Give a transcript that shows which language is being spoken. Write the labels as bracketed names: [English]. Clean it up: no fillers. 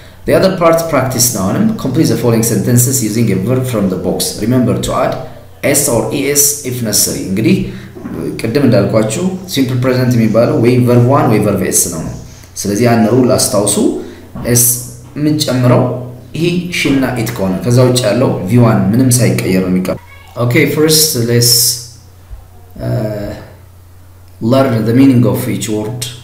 [English] the other part practice now and complete the following sentences using a verb from the box. remember to add s or es if necessary. [Amharic] እንግዲህ ቀደም እንዳልኳችሁ simple present የሚባለው ወይ verb 1 ወይ verb s ነው. ስለዚህ ያን rule አስታውሱ s ምን ጨምረው he she እና it ከሆነ ከዛ ውጭ ያለው v1 ምንም ሳይቀየር ነው የሚቀር. [English] okay first let's learn the meaning of each word